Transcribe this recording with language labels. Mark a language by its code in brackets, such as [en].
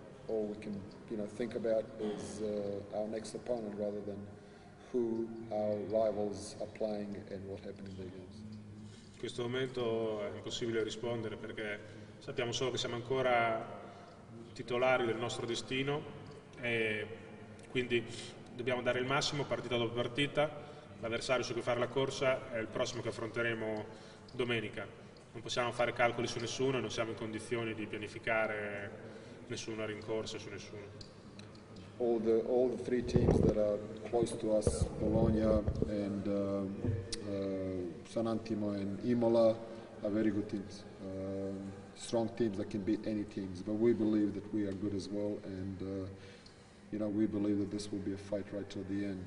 [en] all we can, you know, think about is our next opponent rather than who our rivals are playing and what happened in the games. [it] In questo momento è impossibile rispondere perché sappiamo solo che siamo ancora titolari del nostro destino e quindi dobbiamo dare il massimo partita dopo partita. L'avversario su cui fare la corsa è il prossimo che affronteremo domenica. Non possiamo fare calcoli su nessuno, non siamo in condizioni di pianificare nessuna rincorsa su nessuno. [en] All the three teams that are close to us, Bologna and Sant'Antimo and Imola, are very good teams. Strong teams that can beat any teams, but we believe that we are good as well, and you know, we believe that this will be a fight right till the end.